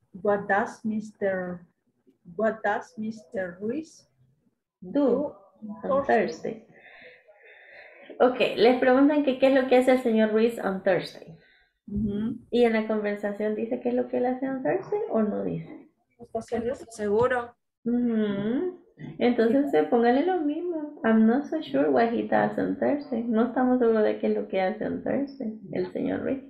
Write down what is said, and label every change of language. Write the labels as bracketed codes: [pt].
[en] What does Mr. Ruiz do on Thursday? [es] Ok, les preguntan que qué es lo que hace el señor Ruiz [en] on Thursday. Uh-huh. [es] ¿Y en la conversación dice qué es lo que él hace [en] on Thursday [es] o no dice? Seguro. Uh-huh. Entonces póngale lo mismo. [en] I'm not so sure what he does on Thursday. [es] No estamos seguros de qué es lo que hace [en] on Thursday [es] el señor Ruiz.